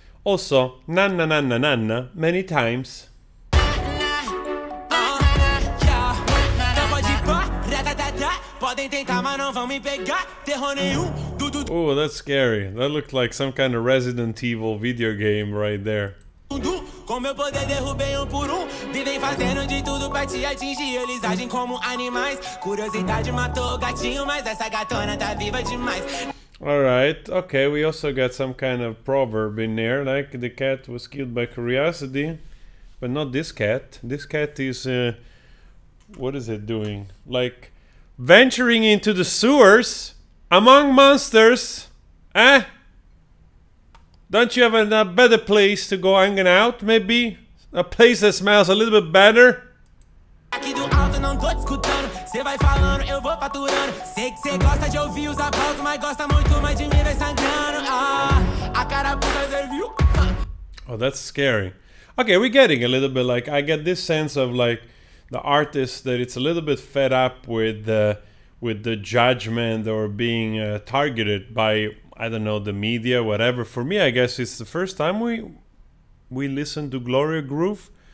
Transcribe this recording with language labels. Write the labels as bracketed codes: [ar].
[en] Also, na na na na na na, many times. Oh, that's scary. That looked like some kind of Resident Evil video game right there. [pt] Com meu poder derrubei por vivem fazendo de tudo pra te atingir. Eles agem como animais. Curiosidade matou o gatinho, mas essa gatona tá viva demais. [en] Alright, okay, we also got some kind of proverb in there, like the cat was killed by curiosity. But not this cat. This cat is what is it doing? Like venturing into the sewers among monsters! Eh? Don't you have a better place to go hanging out, maybe? A place that smells a little bit better? [pt] Aqui do alto não tô escutando. Cê vai falando, eu vou faturando. Sei que cê gosta de ouvir os aplausos, mas gosta muito mais de mim ver sangrando. Ah, a carapuça serviu. [en] Oh, that's scary. Okay, we're getting a little bit like, I get this sense of like, the artist that it's a little bit fed up with the judgment or being targeted by, I don't know, the media, whatever. For me, I guess it's the first time we listen to Gloria Groove.